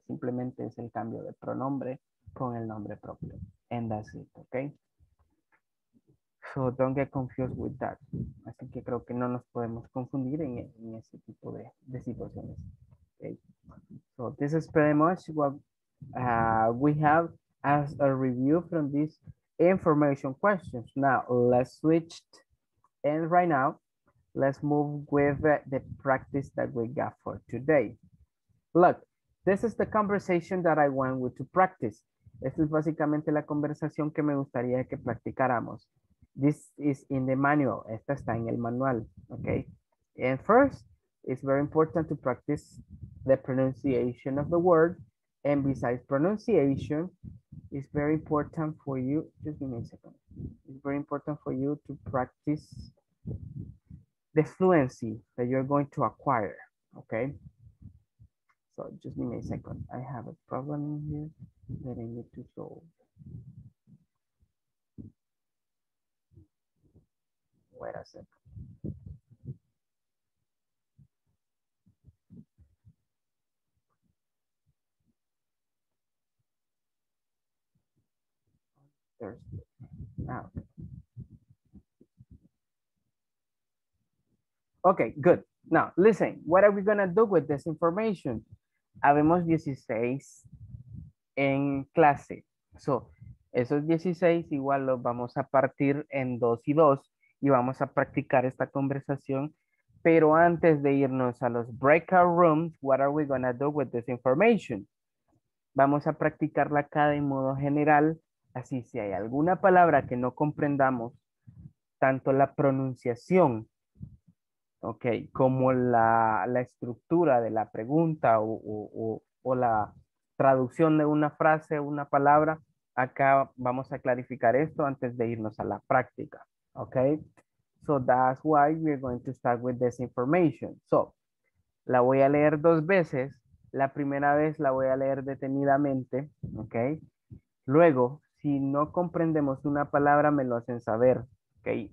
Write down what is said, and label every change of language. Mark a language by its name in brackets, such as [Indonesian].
[Spanish] Simplemente es el cambio de pronombre con el nombre propio. [English] And that's it, okay? So don't get confused with that. [Spanish] Así que creo que no nos podemos confundir en ese tipo de situaciones. [English] Okay? So this is pretty much what we have as a review from this information questions. Now let's switch and right now let's move with the practice that we got for today. Look, this is the conversation that I want you to practice. [Spanish] Esta es básicamente la conversación que me gustaría que practicáramos. [English] This is in the manual. [Spanish] Esta está en el manual. [English] Okay. And first, it's very important to practice the pronunciation of the word. And besides pronunciation, it's very important for you, just give me a second. It's very important for you to practice the fluency that you're going to acquire, okay? So just give me a second. I have a problem in here that I need to solve. Wait a second. Okay, good. Now, listen, what are we going to do with this information? [Spanish] Habemos 16 en clase. So, esos 16 igual los vamos a partir en 2 y 2 y vamos a practicar esta conversación. Pero antes de irnos a los breakout [English] rooms, what are we going to do with this information? [Spanish] Vamos a practicarla acá de modo general. Así, si hay alguna palabra que no comprendamos, tanto la pronunciación, ok, como la estructura de la pregunta o la traducción de una frase, una palabra, acá vamos a clarificar esto antes de irnos a la práctica, ok. [English] So that's why we're going to start with this information. [Spanish] So, la voy a leer dos veces. La primera vez la voy a leer detenidamente, ok. Luego, si no comprendemos una palabra, me lo hacen saber, ¿ok?